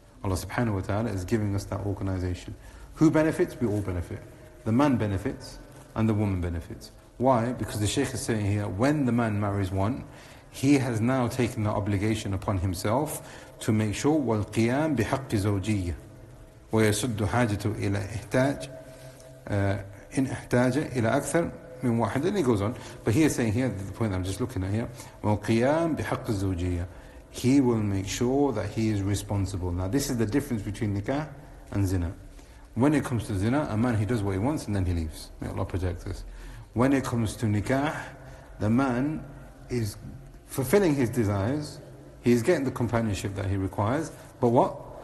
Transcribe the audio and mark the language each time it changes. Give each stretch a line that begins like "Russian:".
English: Allah subhanahu wa ta'ala is giving us that organization. Who benefits? We all benefit. The man benefits, and the woman benefits. Why? Because the Shaykh is saying here, when the man marries one, he has now taken the obligation upon himself to make sure,
Arabic: وَالْقِيَامِ بِحَقِّ زَوْجِيَّ, ويسد حاجته إلى إحتاج إن احتاج إلى أكثر من واحد.
English: And he goes on, but he is saying here the point that I'm just looking at here,
Arabic: وقيام بحق الزوجية.
English: He will make sure that he is responsible. Now this is the difference between nikah and zina. When it comes to zina, a man, he does what he wants and then he leaves. May Allah protect us. When it comes to nikah, the man is fulfilling his desires, he is getting the companionship that he requires, but what?